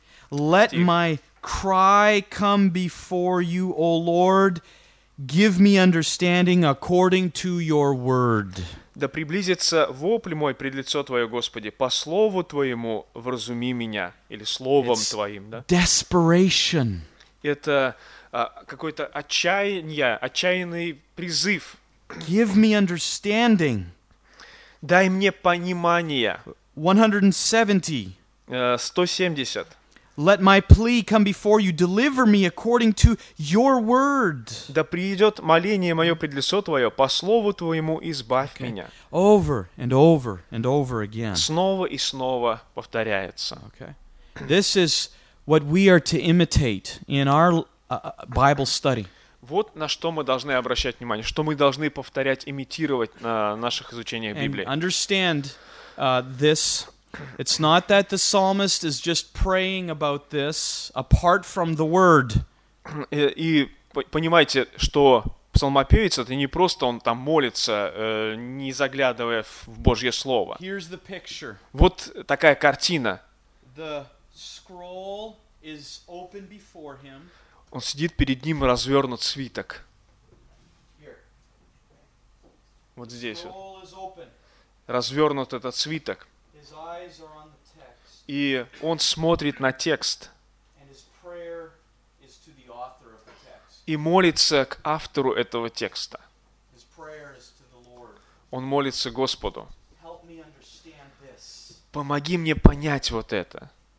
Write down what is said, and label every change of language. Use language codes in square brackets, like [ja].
[en] Let my cry come before you, O Lord. Give me understanding according to your word. [ru] Да приблизится вопль мой пред лицо Твое, Господи, по слову Твоему вразуми меня, или словом Твоим. Да? [en] Desperation. [ru] Это какое-то отчаяние, отчаянный призыв. [en] Give me understanding. [ru] Дай мне понимание. [en] 170. [ru] 170. [en] Let my plea come before you. Deliver me according to your word. [ru] Да придет моление мое пред лицо твое, по слову твоему избавь меня. [en] Over and over and over again. [ru] Снова и снова повторяется. [en] Okay. This is what we are to imitate in our Bible study. [ru] Вот на что мы должны обращать внимание, что мы должны повторять, имитировать на наших изучениях Библии. [en] And understand this. It's not that the psalmist is just praying about this apart from the word. [ru] И понимаете, что псалмопевец, это не просто он там молится, не заглядывая в Божье Слово. [en] Here's the picture. [ru] Вот такая картина. [en] The scroll is open before him. [ru] Он сидит перед ним, развернут свиток. [en] Here. [ru] Вот здесь [en] scroll [ru] вот. [en] Is open. [ru] Развернут этот свиток. [en] His eyes are on the text. [ru] И он смотрит на текст. [en] And his prayer is to the author of the text. [ru] И молится к автору этого текста. [en] His prayer is to the Lord. [ru] Он молится Господу. [en] Help me understand this. [ru] Помоги мне понять вот это.